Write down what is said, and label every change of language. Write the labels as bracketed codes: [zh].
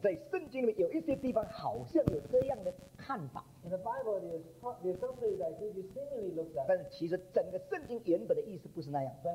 [zh] 在圣经里面有一些地方好像有这样的看法。 [en] In the Bible, there's some place that gives you seemingly looks at. [zh] 但是其实整个圣经原本的意思不是那样。